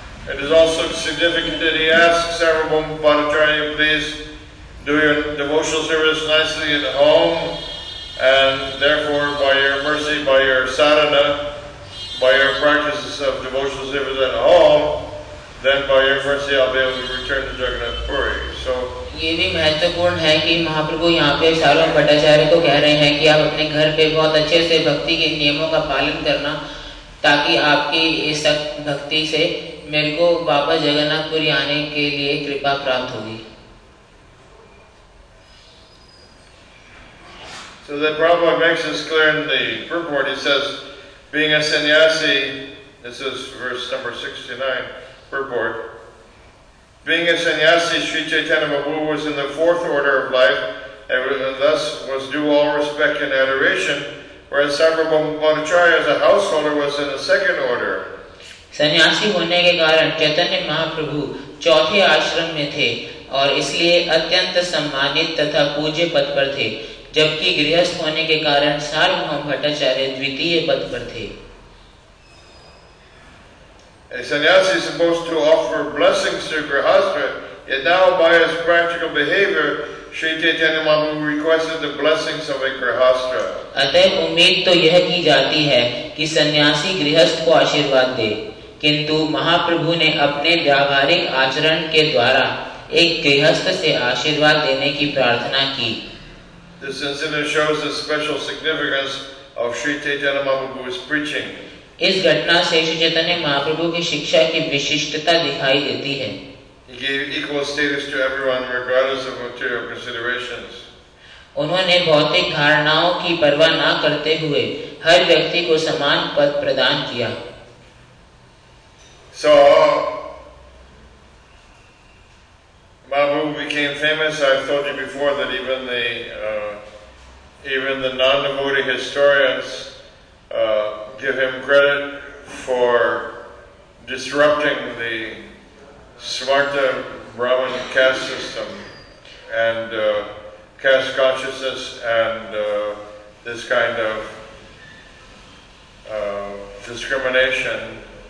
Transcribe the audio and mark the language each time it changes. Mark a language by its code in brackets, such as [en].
[en] It is also significant that he asks Sarvabhauma Bhattacharya, please do your devotional service nicely at home, and therefore by your mercy, by your sadhana, by your practices of devotional service at home, then by your mercy I'll be able to return to Jagannath Puri. So, [hi] ये भी महत्वपूर्ण है कि महाप्रभु यहाँ पे सार्वभौम भट्टाचार्य को कह रहे हैं कि आप अपने घर पे बहुत अच्छे से भक्ति के नियमों का पालन करना, ताकि आपकी इस भक्ति से मेरे को वापस जगन्नाथपुरी आने के लिए कृपा प्राप्त होगी। [en] So the Prabhupada makes this clear in the purport. He says, being a sannyasi, this is verse number 69, purport. Being a sannyasi, Sri Chaitanya Mahaprabhu was in the fourth order of life, and thus was due all respect and adoration, whereas Sarvabhauma Bhattacharya as a householder was in the second order. [hi] सन्यासी होने के कारण चैतन्य महाप्रभु चौथे आश्रम में थे और इसलिए अत्यंत सम्मानित तथा पूज्य पद पर थे, जबकि गृहस्थ होने के कारण सार्वभौम भट्टाचार्य द्वितीय पद पर थे। [en] A sannyasi is supposed to offer blessings to grihastha, yet now by his practical behavior, Sri Chaitanya Mahaprabhu requested the blessings of a grihastha. [hi] अतः उम्मीद तो यह की जाती है कि सन्यासी गृहस्थ को आशीर्वाद दे, किंतु महाप्रभु ने अपने व्यावहारिक आचरण के द्वारा एक गृहस्थ से आशीर्वाद देने की प्रार्थना की। [en] This incident shows the special significance of Sri Chaitanya Mahaprabhu's preaching. [hi] इस घटना से श्री चैतन्य महाप्रभु की शिक्षा की विशिष्टता दिखाई देती है। [en] He gave equal status to everyone regardless of material considerations. [hi] उन्होंने भौतिक धारणाओं की परवाह ना करते हुए हर व्यक्ति को समान पद प्रदान किया। [en] So, Mahaprabhu became famous. I've told you before that even the non-devotee historians give him credit for disrupting the Svarta Brahmin caste system and caste consciousness and this kind of discrimination.